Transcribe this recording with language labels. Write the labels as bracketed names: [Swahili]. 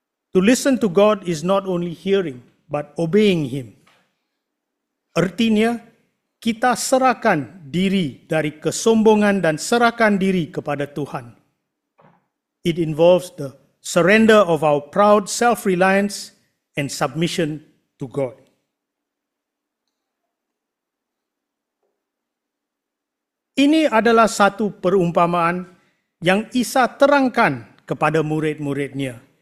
[English] To listen to God is not only hearing, but obeying Him. [Malay] Artinya, kita serahkan diri dari kesombongan dan serahkan diri kepada Tuhan. [English] It involves the surrender of our proud self-reliance and submission to God. [Malay] Ini adalah satu perumpamaan yang Isa terangkan kepada murid-murid-Nya.